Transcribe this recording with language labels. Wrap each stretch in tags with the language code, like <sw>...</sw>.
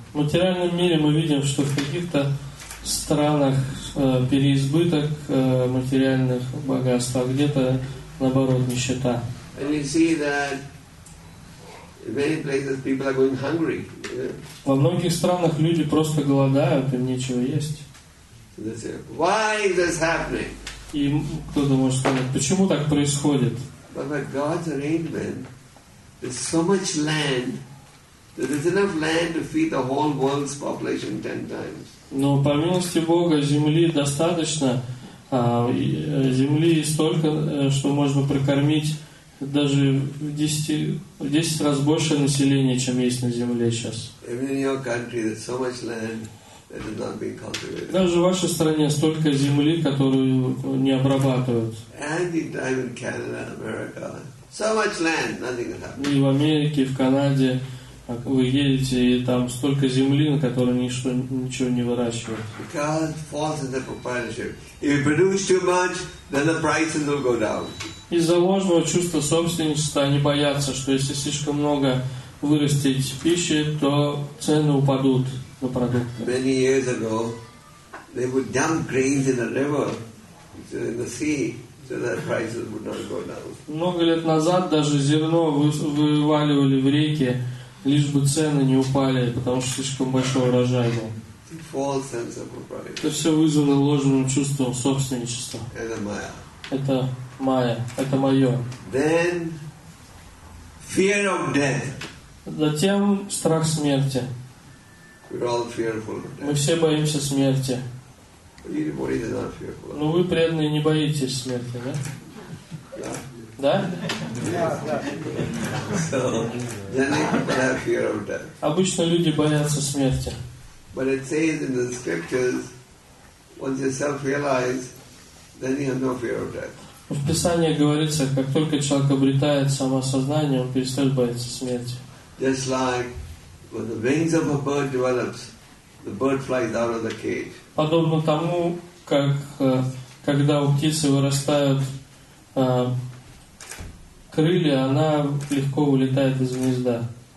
<ru>В материальном мире мы видим, что в каких-то странах переизбыток материальных богатств, а где-то наоборот нищета.</ru> <en>And you see that in many places people are going hungry.</en> <ru>Во многих странах люди просто голодают, им нечего есть.</ru> <en>Why is this happening?</en> <ru>И кто-то может сказать, почему так происходит?</ru> <en>But by God's arrangement, there's so much land that there's enough land to feed the whole world's population 10 times.</en> <ru>Но по милости Бога земли достаточно, земли столько, что можно прокормить даже в десять раз больше населения, чем есть на земле сейчас.</ru> <en>Even in your country, there's so much land. It is not being cultivated.</en> <ru>Даже в вашей стране столько земли, которую не обрабатывают.</ru> <en>And in Canada, America, so much land, nothing has happened.</en> <ru>И в Америке, в Канаде, вы едете, и там столько земли, на которой ничего не выращивают.</ru> <en>Because false sense of proprietorship. If you produce too much, then the prices will go down.</en> <ru>Из-за ложного чувства собственничества они боятся, что если слишком много вырастить пищи, то цены упадут.</ru> <en>Many years ago, they would dump grains in the river, in the sea, so that prices would not go down.</en> <ru>Много лет назад даже зерно вываливали в реки, лишь бы цены не упали, потому что слишком большой урожай был.</ru> <en>False sense of propriety.</en> <ru>Это все вызвано ложным чувством собственничества. Это моя. Это моя. Это мое.</ru> <en>Then fear of death.</en> <ru>Затем страх смерти.</ru> <en>We're all fearful of death.</en> <ru>Мы все боимся смерти.</ru> <en>But you devotees are not fearful.</en> <ru>Но вы преданные не боитесь смерти, да? Да? Да?</ru> <en>So, then people have fear of death.</en> <ru>Обычно люди боятся смерти.</ru> <en>But it says in the scriptures, once you self-realize, then you have no fear of death.</en> <ru>В Писании говорится, как только человек обретает самосознание, он перестает бояться смерти.</ru> <en>Just like when the wings of a bird develops, the bird flies out of the cage.</en> <ru>Подобно тому, как когда у птицы вырастают крылья, она легко улетает из гнезда.</ru>